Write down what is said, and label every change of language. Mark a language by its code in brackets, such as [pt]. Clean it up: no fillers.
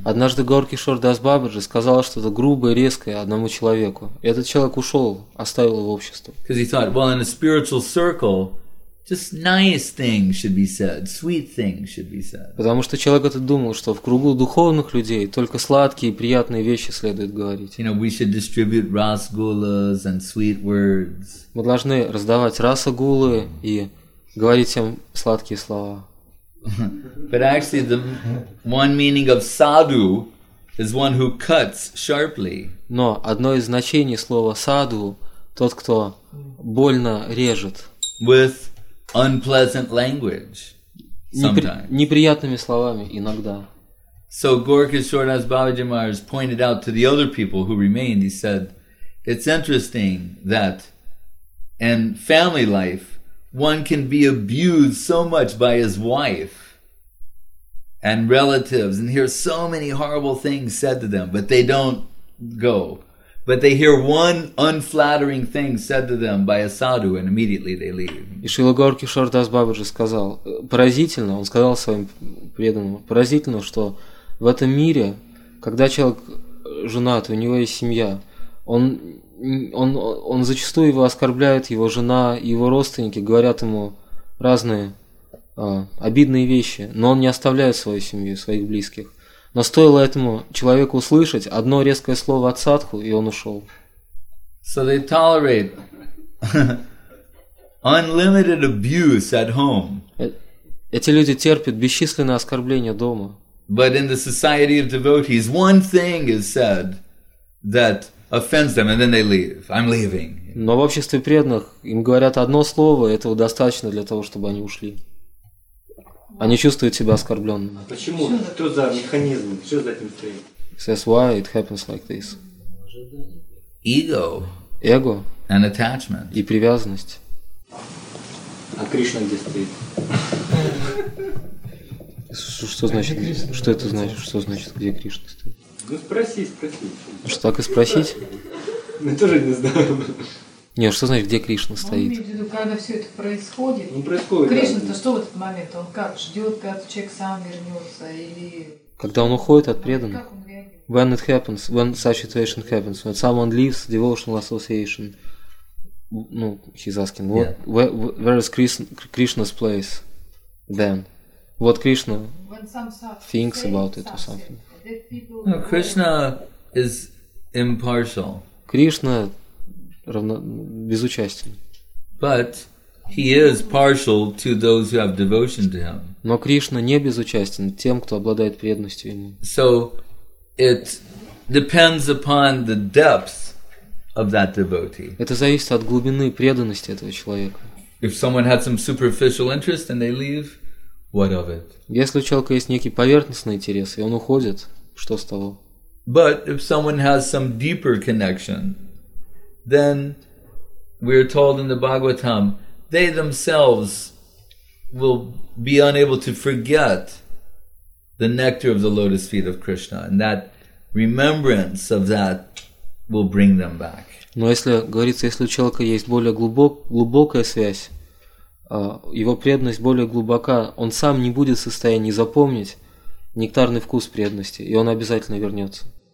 [ru] Однажды Горкишор Дас Бабаджи сказал что-то грубое, резкое одному человеку. И этот человек ушел, оставил его общество. [en] Because he thought, well, in a spiritual circle, just nice things should be said, sweet things should be said. [ru] Потому что человек этот думал, что в кругу духовных людей только сладкие и приятные вещи следует говорить. [en] You know, we should distribute rasgulas and sweet words. [ru] Мы должны раздавать расагулы и говорить всем сладкие слова. [en] But actually, the one meaning of sadhu is one who cuts sharply. [ru] Но одно из значений слова саду тот, кто больно режет. [en] With unpleasant language, sometimes. [ru] Неприятными словами иногда. [en] So Gorkhasuranas Babaji Maharaj pointed out to the other people who remained. He said, "It's interesting that in family life, one can be abused so much by his wife." And relatives, and hear so many horrible things said to them, but they don't go. But they hear one unflattering thing said to them by a sadhu, and immediately they leave. [ru] И Шрила Горкишор Дас Бабаджи сказал, поразительно, он сказал своим преданным, поразительно, что в этом мире, когда человек женат, у него есть семья, он зачастую его оскорбляет, его жена, его родственники говорят ему разные обидные вещи, но он не оставляет свою семью, своих близких. Но стоило этому человеку услышать одно резкое слово от садху, и он ушел. [en] So they tolerate unlimited abuse at home. [ru] Эти люди терпят бесчисленные оскорбления дома. [en] But in the society of devotees, one thing is said that offends them, and then they leave. I'm leaving. [ru] Но в обществе преданных им говорят одно слово, и этого достаточно для того, чтобы они ушли. Они чувствуют себя оскорбленными. А почему? Что за механизм? Что за этим стоит? [en] Says why it happens like this. Ego. Ego. And attachment. [ru] И привязанность. А Кришна где стоит? Что значит? Что это значит? Что значит, где Кришна стоит? Ну спроси. Что, так и спросить? Мы тоже не знаем. Нет, что значит, где Кришна стоит? Он имеет в виду, когда все это происходит. Не происходит. Кришна-то да, что в этот момент? Он как ждет, когда человек сам вернется или. Когда он уходит от преданных. Как он реагирует? [en] When it happens, when such situation happens, when someone leaves devotional association, ну, he's asking, what, yeah. where is Krishna's place then? What Krishna when some thinks about it or something? No, Krishna is impartial. [ru] Кришна без участия. [en] But he is partial to those who have devotion to him. [ru] Но Кришна не безучастен тем, кто обладает преданностью ему. [en] So it depends upon the depth of that devotee. [ru] Это зависит от глубины преданности этого человека. [en] If someone had some superficial interest and they leave, what of it? [ru] Если у человека есть некий поверхностный интерес и он уходит, что с того? [en] But if someone has some deeper connection, then we are told in the Bhagavatam, they themselves will be unable to forget the nectar of the lotus feet of Krishna, and that remembrance of that will bring them back. [ru] Но если говорится, если у человека есть более глубокая связь, его преданность более глубока, он сам не будет в состоянии запомнить нектарный вкус преданности, и он обязательно вернется.